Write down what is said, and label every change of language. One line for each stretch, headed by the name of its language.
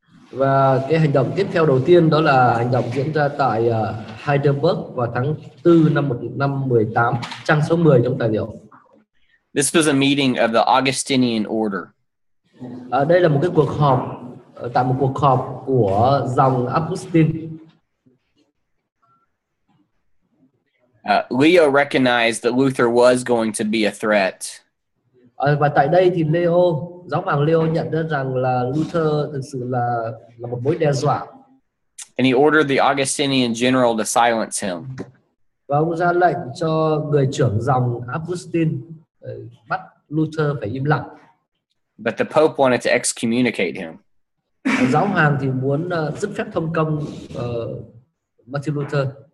Vietnamese: Và cái hành động tiếp theo đầu tiên đó là hành động diễn ra tại Heidelberg vào tháng 4 năm 1518, trang số 10 trong tài liệu.
English: This was a meeting of the Augustinian order.
Vietnamese: Đây là một cái cuộc họp, tại một cuộc họp của dòng Augustine.
English: Leo recognized that Luther was going to be a threat.
Vietnamese: Và tại đây thì Leo, giáo hoàng Leo nhận ra rằng là Luther thực sự là một mối đe dọa.
English: And he ordered the Augustinian general to silence him.
Vietnamese: Và ông ra lệnh cho người trưởng dòng Augustine bắt Luther phải im lặng.
English: But the Pope wanted to excommunicate him.
Vietnamese: Giáo hoàng thì muốn dứt phép thông công Martin Luther.